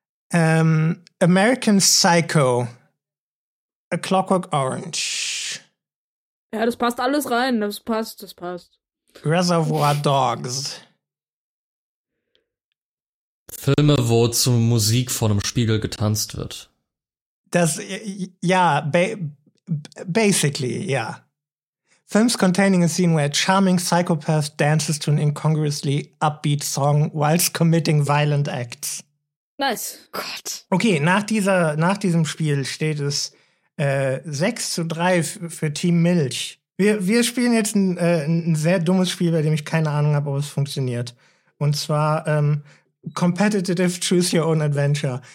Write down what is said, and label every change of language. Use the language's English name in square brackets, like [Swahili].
[English] American Psycho. A Clockwork Orange. [German] Ja, das passt alles rein. Das passt. [English] Reservoir Dogs. [German] Filme, wo zu Musik vor einem Spiegel getanzt wird. Das, ja, basically, ja. Yeah. [English] Films containing a scene where a charming psychopath dances to an incongruously upbeat song whilst committing violent acts. Nice. [German] Gott. Okay, nach diesem Spiel steht es 6-3 für Team Milch. Wir spielen jetzt ein sehr dummes Spiel, bei dem ich keine Ahnung habe, ob es funktioniert. Und zwar Competitive Choose Your Own Adventure.